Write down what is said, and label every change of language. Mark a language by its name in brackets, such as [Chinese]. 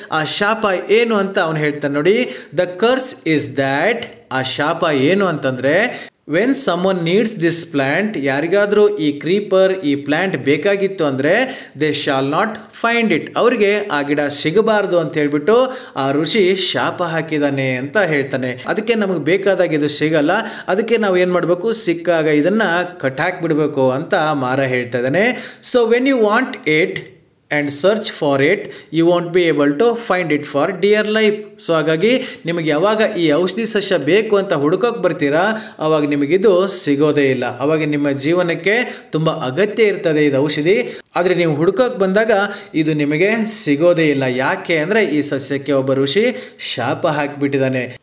[Kannada] ಆ ಶಾಪ ಏನು ಅಂತ ಅವನು ಹೇಳ್ತಾನೆ ನೋಡಿ, [English] the curse is that, [Kannada] ಆ ಶಾಪ ಏನು ಅಂತಂದರೆ, [English] when someone needs this plant, [Kannada] ಯಾರಿಗಾದರೂ ಈ ಕ್ರೀಪರ್ ಈ ಪ್ಲ್ಯಾಂಟ್ ಬೇಕಾಗಿತ್ತು ಅಂದರೆ, [English] they shall not find it, [Kannada] ಅವರಿಗೆ ಆ ಗಿಡ ಸಿಗಬಾರ್ದು ಅಂತ ಹೇಳ್ಬಿಟ್ಟು ಆ ಋಷಿ ಶಾಪ ಹಾಕಿದ್ದಾನೆ ಅಂತ ಹೇಳ್ತಾನೆ. ಅದಕ್ಕೆ ನಮಗೆ ಬೇಕಾದಾಗ ಇದು ಸಿಗಲ್ಲ, ಅದಕ್ಕೆ ನಾವು ಏನು ಮಾಡಬೇಕು, ಸಿಕ್ಕಾಗ ಇದನ್ನು ಕಟ್ಟಾಕ್ಬಿಡಬೇಕು ಅಂತ ಮಾರ ಹೇಳ್ತಾ ಇದ್ದಾನೆ. [English] So when you want it and search for it, you won't be able to find it for dear life. [Kannada] So ಹಾಗಾಗಿ ನಿಮಗೆ ಯಾವಾಗ ಈ ಔಷಧಿ ಸಸ್ಯ ಬೇಕು ಅಂತ ಹುಡುಕೋಕೆ ಬರ್ತೀರಾ, ಅವಾಗ ನಿಮಗಿದು ಸಿಗೋದೇ ಇಲ್ಲ. ಅವಾಗ ನಿಮ್ಮ ಜೀವನಕ್ಕೆ ತುಂಬ ಅಗತ್ಯ ಇರ್ತದೆ ಇದು ಔಷಧಿ, ಆದರೆ ನೀವು ಹುಡುಕೋಕೆ ಬಂದಾಗ ಇದು ನಿಮಗೆ ಸಿಗೋದೇ ಇಲ್ಲ. ಯಾಕೆ ಅಂದರೆ ಈ ಸಸ್ಯಕ್ಕೆ ಒಬ್ಬ ಋಷಿ ಶಾಪ ಹಾಕಿಬಿಟ್ಟಿದ್ದಾನೆ.